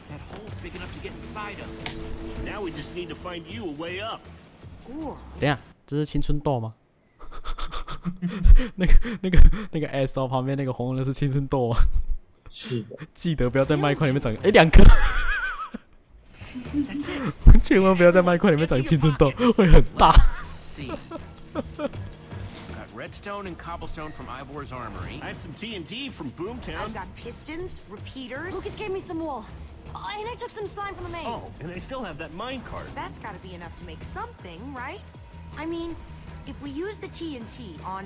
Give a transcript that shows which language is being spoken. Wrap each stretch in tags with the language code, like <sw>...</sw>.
<en>That hole's big enough to get inside of. Now we just need to find you a way up.</en> <zh>等下，这是青春痘吗？那个 S O 旁边那个红红的是青春痘吗？是的。记得不要在麦块里面长，哎，两颗。千万不要在麦块里面长青春痘，会很大。</zh> <en>Got redstone and cobblestone from Ivor's armory. I have some TNT from Boomtown. I've got pistons, repeaters. Lucas gave me some wool, and I took some slime from the maze. Oh, and I still have that minecart. That's got to be enough to make something, right? I mean, if we use the TNT on</en>